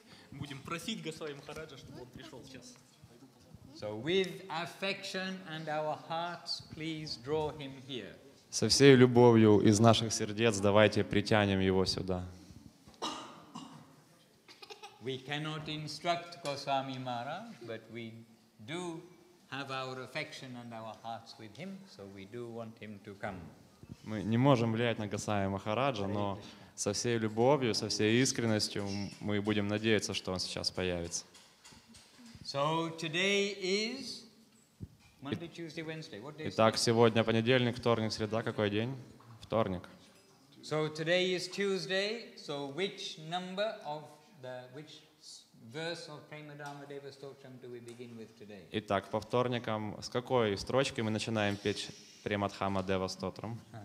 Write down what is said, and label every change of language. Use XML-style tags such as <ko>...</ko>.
<ru>Будем просить Госвами Махараджа, чтобы он пришел сейчас.</ru> <en>So with affection and our hearts, please draw him here.</en> <ru>Со всей любовью из наших сердец давайте притянем его сюда.</ru> <en>We cannot instruct Goswami Mara, but we do have our affection and our hearts with him, so we do want him to come.</en> <ru>Мы не можем влиять на Госвами Махараджа, но со всей любовью, со всей искренностью мы будем надеяться, что он сейчас появится.</ru> <en>So today is Monday, Tuesday, Wednesday. What day is</en> <ru>Итак, сегодня понедельник, вторник, среда. Какой день? Вторник.</ru> <en>So today is Tuesday. So which number of the which verse of Prema Dama Deva Stotram do we begin with today?</en> <ru>Итак, по вторникам с какой строчки мы начинаем петь Према Дама Дева Стотрам?</ru>